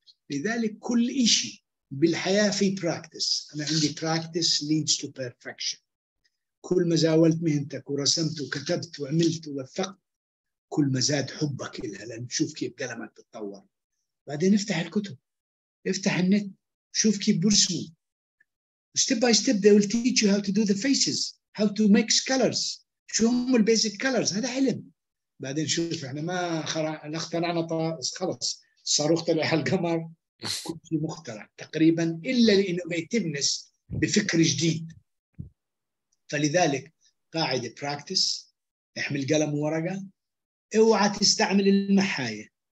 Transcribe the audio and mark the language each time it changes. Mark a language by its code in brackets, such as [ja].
[ar] لذلك كل إشي بالحياة في practice. أنا عندي [en] practice leads to perfection. [ar] كل ما زاولت مهنتك ورسمت وكتبت وعملت ووفقت، كل ما زاد حبك لها، لأن شوف كيف قلمك تتطور. بعدين افتح الكتب، افتح النت، شوف كيف برسمه. [en] step by step they will teach you how to do the faces, how to mix colors. [ar] شو هم البيزك كولرز؟ هذا حلم. بعدين شوف احنا ما اخترعنا طائر خلص، صاروخ طلع هالقمر، كل شيء مخترع تقريبا الا الانوفيتيفنس بفكر جديد. فلذلك قاعده براكتس، احمل قلم وورقه، اوعى تستعمل المحايه.